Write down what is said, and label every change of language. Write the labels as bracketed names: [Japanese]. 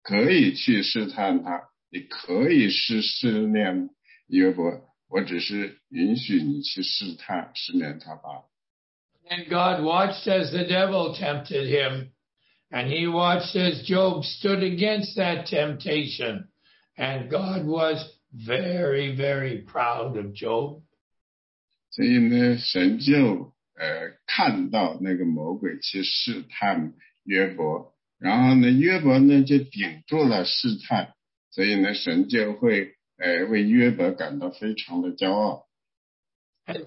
[Chinese] 所以呢，神并没有说，神说我不会去试探，试炼约伯。但神却对那个魔鬼说，你可以去试探他。你可以试炼约伯，我只是允许你去试探，试炼他罢了。 [English] And God watched as the devil tempted him, and he watched as Job stood against that temptation, and God was very, very proud of Job. [Chinese] 所以呢，神就看到那个魔鬼去试探约伯，然后呢，约伯呢就顶住了试探。所以呢，神就会为约伯感到非常的骄傲。 [English] And